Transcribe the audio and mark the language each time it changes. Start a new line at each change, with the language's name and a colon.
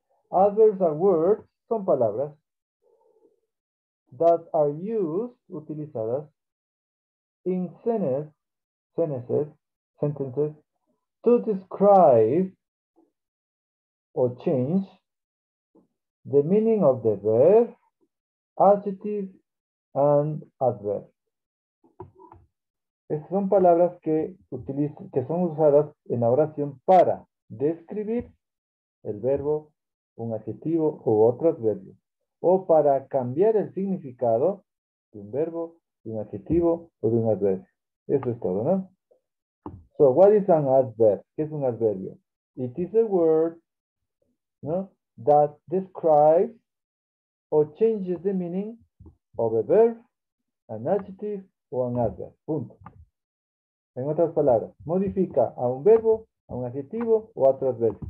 English: Adverbs are words,
Spanish: son palabras,
English: that are used,
Spanish: utilizadas,
English: in sentences, to describe or change the meaning of the verb, adjective, and adverb.
Spanish: Estas son palabras que son usadas en la oración para describir el verbo, un adjetivo u otro adverbio, o para cambiar el significado de un verbo, de un adjetivo o de un adverbio. Eso es todo, ¿no?
English: So, what is an adverb?
Spanish: ¿Qué es un adverbio?
English: It is a word, ¿no?, that describes or changes the meaning of a verb, an adjective or an adverb.
Spanish: Punto. En otras palabras, modifica a un verbo, a un adjetivo o a otro adverbio.